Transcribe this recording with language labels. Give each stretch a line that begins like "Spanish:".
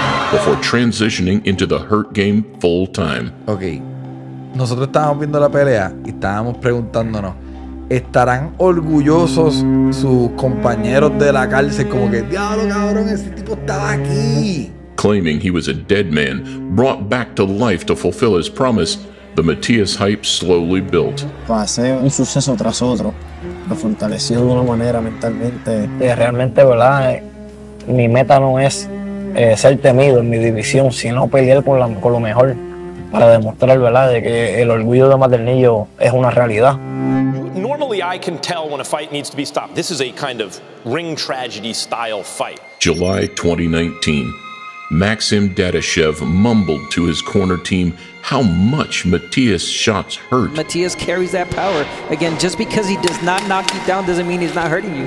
English: Before transitioning into the hurt game full time. Okay.
Spanish: Nosotros estábamos viendo la pelea y estábamos preguntándonos, ¿estarán orgullosos sus compañeros de la cárcel? Como que, diablo, cabrón, ese tipo estaba aquí.
English: Claiming he was a dead man, brought back to life to fulfill his promise, the Matias hype slowly built.
Spanish: Pasé un suceso tras otro. Me fortaleció de una manera mentalmente. Realmente, ¿verdad? Mi meta no es ser temido en mi división, sino pelear con lo mejor. Para demostrar, ¿verdad?, de que el orgullo de Maternillo es una realidad.
English: Normally I can tell when a fight needs to be stopped. This is a kind of ring tragedy style fight. July 2019. Maxim Dadashev mumbled to his corner team how much Matias' shots hurt. Matias carries that power. Again, just because he does not knock you down doesn't mean he's not hurting you.